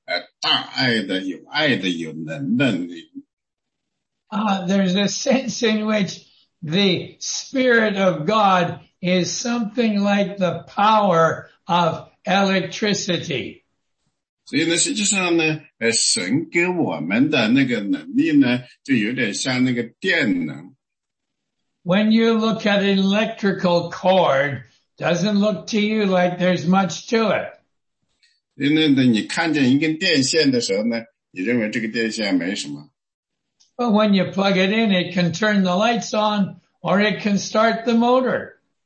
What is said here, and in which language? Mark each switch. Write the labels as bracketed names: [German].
[Chinese] 实际上这里非常有趣的是呢，神的灵呢给了每一个人，但神给我们的灵呢，它不是一个惧怕的灵，而是一个大爱的、有爱的、有能的灵。 [English] There's a sense in which the Spirit of God is something like the power of electricity. [Chinese] 所以呢，实际上呢，神给我们的那个能力呢，就有点像那个电能。 [English] When you look at an electrical cord, doesn't look to you like there's much to it. [Chinese] 因为呢，你看见一根电线的时候呢，你认为这个电线没什么。 [English] But when you plug it in, it can turn the lights on or it can start the motor.